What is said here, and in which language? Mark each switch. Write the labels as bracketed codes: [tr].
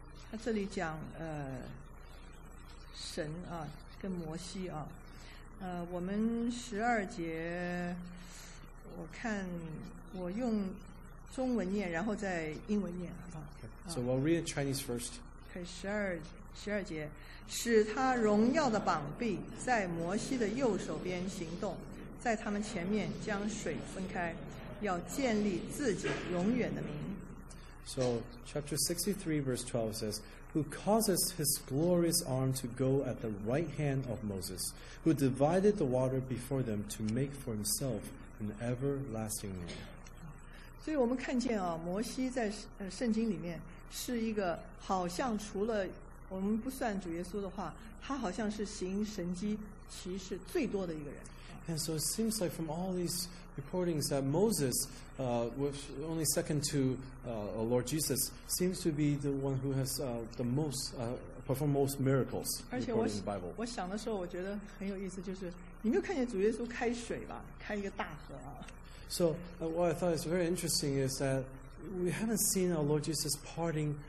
[zh] 他这里讲神啊，跟摩西啊，我们十二节，我看我用中文念，然后再英文念啊。 [en] So we'll read Chinese first. [zh] 十二节，使他荣耀的膀臂在摩西的右手边行动，在他们前面将水分开，要建立自己永远的名。 [en] So, chapter 63, verse 12 says, Who causes his glorious arm to go at the right hand of Moses, who divided the water before them to make for himself an everlasting name. [zh] 所以我们看见啊，摩西在圣经里面是一个好像除了我们不算主耶稣的话，他好像是行神迹奇事最多的一个人。 [en] And so it seems like from all these recordings that Moses, was only second to Lord Jesus, seems to be the one who has the most performed most miracles recorded in the Bible. [zh] 我想的时候，我觉得很有意思，就是你没有看见主耶稣开水吧，开一个大河啊。 [en] So what I thought is very interesting is that we haven't seen our Lord Jesus parting.